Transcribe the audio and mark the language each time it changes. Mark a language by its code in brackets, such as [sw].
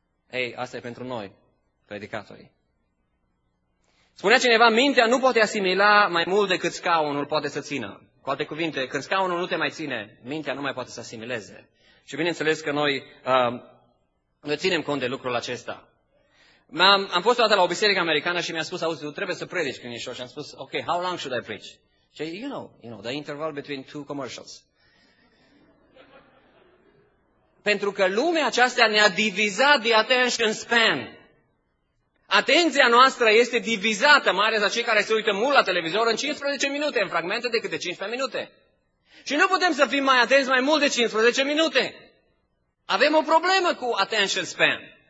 [ro] Ei, asta e pentru noi, predicatorii. Spunea cineva, mintea nu poate asimila mai mult decât scaunul poate să țină. Cu alte cuvinte, când scaunul nu te mai ține, mintea nu mai poate să asimileze. Și bineînțeles că noi ținem cont de lucrul acesta. Am fost o dată la o biserică americană și mi-a spus, auzi, tu trebuie să predici când ești așa. Și am spus, [en] ok, how long should I preach? Și you know, the interval between two commercials. [ro] Pentru că lumea aceasta ne-a divizat the attention span. Atenția noastră este divizată, mai ales la cei care se uită mult la televizor, în 15 minute, în fragmente de câte 15 minute. Și nu putem să fim mai atenți mai mult de 15 minute. Avem o problemă cu attention span.